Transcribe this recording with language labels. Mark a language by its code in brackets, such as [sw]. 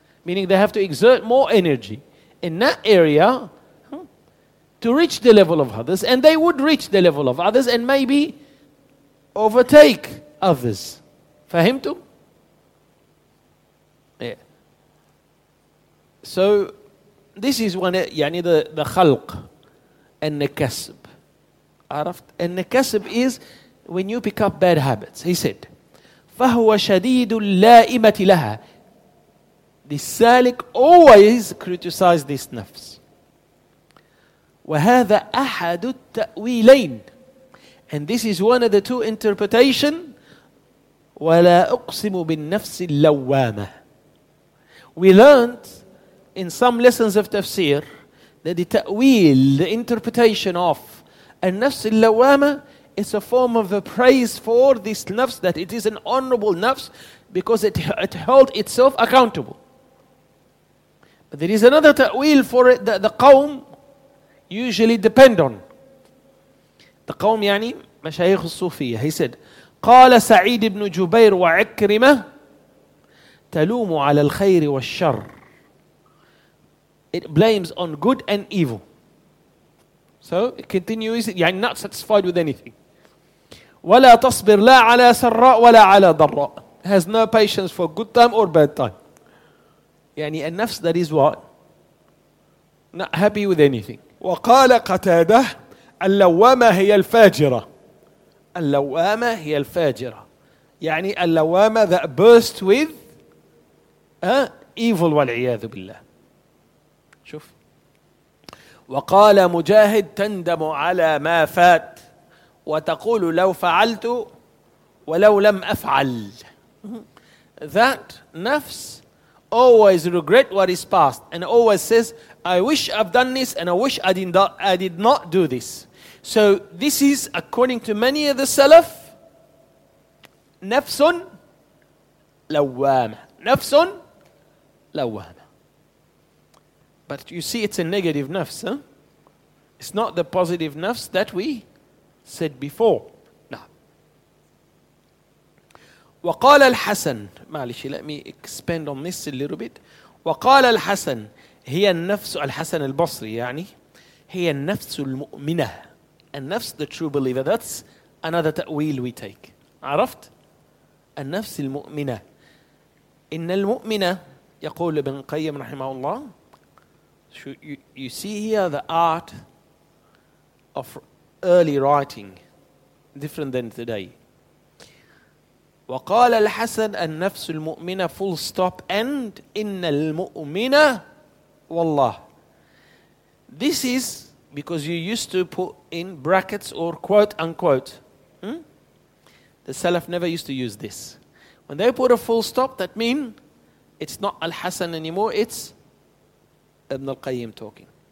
[en] Meaning they have to exert more energy in that area to reach the level of others, and they would reach the level of others and maybe overtake others. Fahimtum? Yeah. So this is when yani the khalq and the kasb. Arafat? And the kasb is when you pick up bad habits. He said, [ar] فَهُوَ شَدِيدُ اللَّائِمَةِ لَهَا. [en] The salik always criticize this nafs. [ar] وَهَذَا أَحَدُ التَّأْوِيلَيْنِ. [en] And this is one of the two interpretation. [ar] وَلَا أُقْسِمُ بِالنَّفْسِ اللَّوَّامَةِ. [en] We learned in some lessons of tafsir that the ta'wil, the interpretation of an-nafs al-lawwama, is a form of a praise for this nafs, that it is an honorable nafs because it held itself accountable. But there is another ta'wil for it that the qawm usually depend on. The qawm, yani, mashayikh al-sufiyya. He said, [ar] قَالَ سَعِيدِ بْنُ جُبَيْرُ وَعِكْرِمَةِ تلوم على الخير والشر. [en] It blames on good and evil. So it continues, يعني not satisfied with anything. [ar] ولا تصبر لا على سراء ولا على ضراء. [en] Has no patience for good time or bad time. [ar] يعني النفس [en] that is what? Not happy with anything. [ar] وقال قتادة اللوامة هي الفاجرة. اللوامة هي الفاجرة. يعني اللوامة [en] that burst with evil [ar] والعياذ بالله. شوف. وقال مجاهد تندم على ما فات وتقول لو فعلت ولو لم أفعل. [en] That nafs always regret what is past and always says, I wish I've done this and I wish I did not do this. So this is according to many of the Salaf, [ar] نفس لوامة. نفس لوامة. [en] But you see, it's a negative nafs. Huh? It's not the positive nafs that we said before. [ar] نعم. وقال الحسن. [en] معلش, let me expand on this a little bit. [ar] وقال الحسن هي النفس, الحسن البصري يعني, هي النفس المؤمنة. [en] النفس, the true believer. That's another تأويل we take. [ar] عرفت؟ النفس المؤمنة. إن المؤمنة, يقول ابن قيم رحمه الله, [en] you see here the art of early writing, different than today. [ar] وقال الحسن النفس المؤمنة [en] full stop and [ar] إن المؤمنة والله. [en] This is because you used to put in brackets or quote unquote. Hmm? The Salaf never used to use this. When they put a full stop, that mean it's not al-Hasan anymore, it's Ibn al-Qayyim talking.